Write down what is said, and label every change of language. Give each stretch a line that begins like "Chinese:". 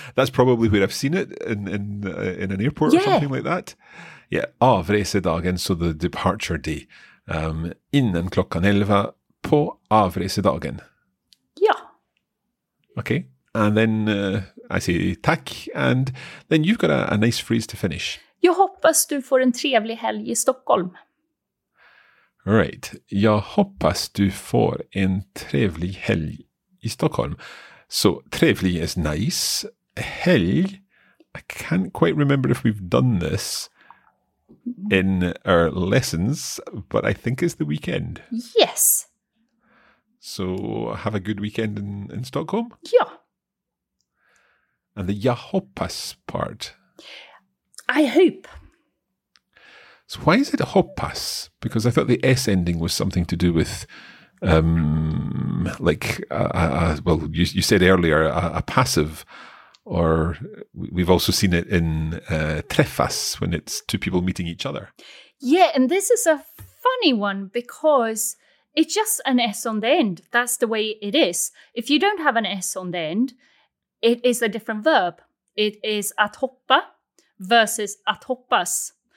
English: That's probably where I've seen it, in an airport or something like that. Yeah, avresedagen, so the departure day.
Swedish: Innan klockan 11 på avresedagen. Ja.
English: Okay, and then I say tack, and then you've got a nice phrase to finish.
Swedish: Jag hoppas du får en trevlig helg I Stockholm.
English: Right.
Swedish: Jag hoppas du får en trevlig helg I Stockholm.
English: So, trevlig is nice. Helg, I can't quite remember if we've done this in our lessons, but I think it's the weekend. Yes. So, have a good weekend in Stockholm?
Swedish: Ja.
English: And the
Swedish: jag hoppas
English: part? I hope. So why is it hoppas? Because I thought the S ending was something to do with, you said earlier, a passive. Or we've also seen it in träffas, when it's two people meeting each other. Yeah, and this is a funny one because it's just an S on the end. That's the way it is. If you don't have an S on the end, it is a different verb. It is
Swedish: att hoppa
English: versus
Swedish: att hoppas.